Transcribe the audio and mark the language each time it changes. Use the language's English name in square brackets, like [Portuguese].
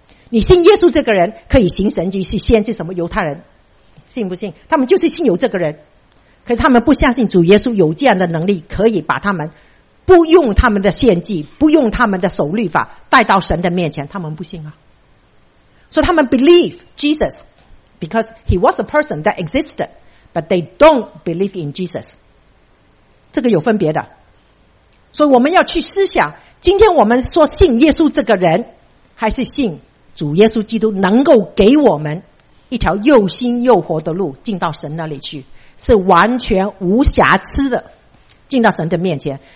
[Chinese] 你信耶稣这个人可以行神迹，是先知，什么犹太人信不信？他们就是信有这个人，可是他们不相信主耶稣有这样的能力，可以把他们不用他们的献祭，不用他们的守律法带到神的面前，他们不信啊。所以他们 [English] believe JesusBecause he was a person that existed, but they don't believe in Jesus. [Chinese] 这个有分别的。所以我们要去思想，今天我们说信耶稣这个人，还是信主耶稣基督能够给我们一条又新又活的路进到神那里去，是完全无瑕疵的进到神的面前。